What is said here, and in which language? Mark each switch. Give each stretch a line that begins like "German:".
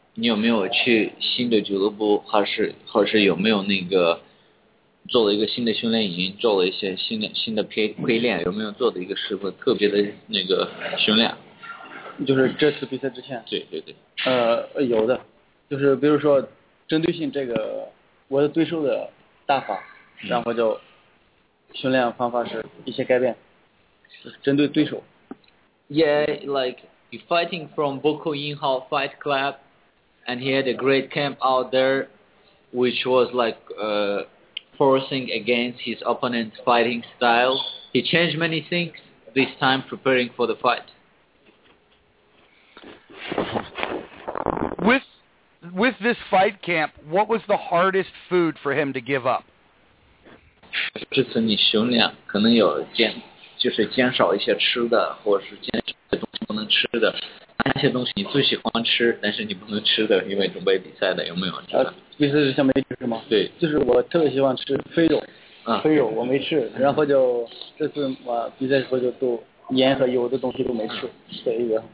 Chinese: 你有没有去新的俱乐部，或是有没有那个做了一个新的训练营，做了一些新的陪练，有没有做的一个什么特别的那个训练？就是这次比赛之前。对对对。有的，就是比如说针对性这个我的对手的打法，然后就训练方法是一些改变，针对对手。
English: Yeah, like he fighting from Boku Yinghao Fight Club, and he had a great camp out there, which was like forcing against his opponent's fighting style. He changed many things this time preparing for the fight. With this fight camp, what was the hardest food for him to give up?
Chinese: 这次你训练可能有减，就是减少一些吃的，或者是减少一些东西不能吃的。哪些东西你最喜欢吃，但是你不能吃的，因为准备比赛的，有没有？意思是像没吃吗？对，就是我特别喜欢吃飞肉，飞肉我没吃，然后就这次我比赛时候就都盐和油的东西都没吃，这一个。